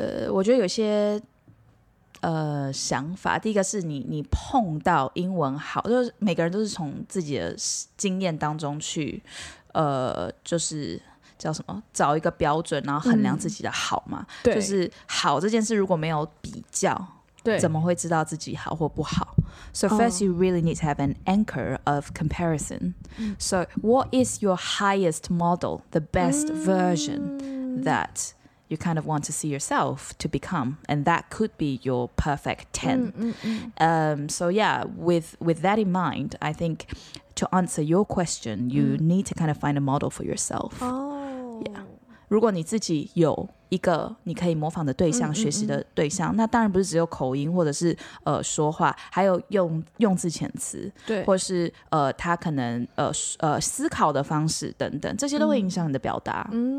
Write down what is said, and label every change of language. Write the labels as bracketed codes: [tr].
[zh] 我觉得有些想法，第一个是你碰到英文好，就是每个人都是从自己的经验当中去就是叫什么，找一个标准然后衡量自己的好嘛。对，就是好这件事如果没有比较，对，怎么会知道自己好或不好？ [en] So first you really need to have an anchor of comparison. So what is your highest model, the best version thatyou kind of want to see yourself to become, and that could be your perfect 10. So yeah, with that in mind, I think to answer your question, you need to kind of find a model for yourself. Oh. Yeah. [zh] 如果你自己有一个你可以模仿的对象，学习的对象，那当然不是只有口音或者是说话，还有用字遣词，对，或是他可能思考的方式等等，这些都会影响你的表达。